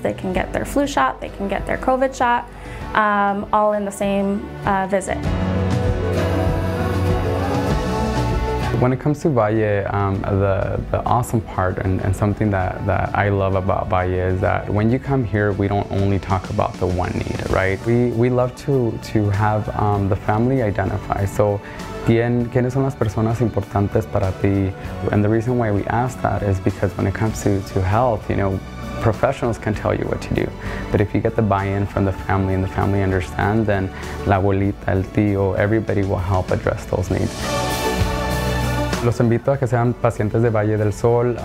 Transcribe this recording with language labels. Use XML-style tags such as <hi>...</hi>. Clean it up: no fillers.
<en>They can get their flu shot, they can get their COVID shot, all in the same visit. When it comes to Valle, the awesome part and something that I love about Valle is that when you come here, we don't only talk about the one need, right? We love to have the family identify.</en> <es>So, ¿quiénes son las personas importantes para ti?</es> <en>And the reason why we ask that is because when it comes to health, you know, professionals can tell you what to do. But if you get the buy-in from the family and the family understands, then</en> <es>la abuelita, el tío,</es> <en>everybody will help address those needs.</en> <es>Los invito a que sean pacientes de Valle del Sol.</es>